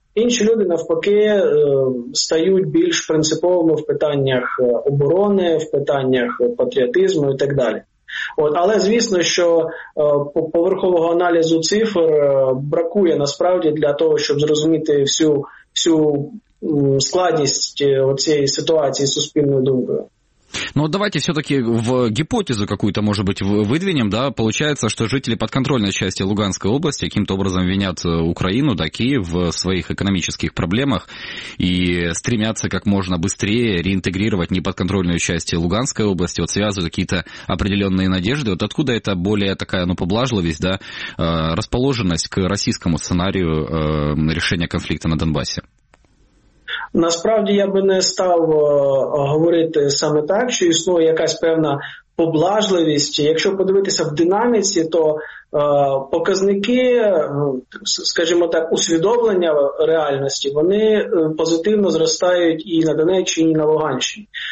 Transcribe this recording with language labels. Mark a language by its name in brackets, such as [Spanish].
[Ukrainian] Інші люди, навпаки, стають більш принциповими в питаннях оборони, в питаннях патріотизму і так далі. От, але, звісно, що поверхового аналізу цифр бракує насправді для того, щоб зрозуміти всю складність цієї ситуації суспільною думкою. [Russian] Ну, давайте все-таки в гипотезу какую-то, может быть, выдвинем, да, получается, что жители подконтрольной части Луганской области каким-то образом винят Украину, да, Киев в своих экономических проблемах и стремятся как можно быстрее реинтегрировать неподконтрольную часть Луганской области, вот связывают какие-то определенные надежды, вот откуда эта более такая, ну, поблажливость, да, расположенность к российскому сценарию решения конфликта на Донбассе? [Ukrainian] Насправді я би не став говорити саме так, що існує якась певна поблажливість. Якщо подивитися в динаміці, то показники, скажімо так, усвідомлення реальності, вони позитивно зростають і на Донеччині, і на Луганщині.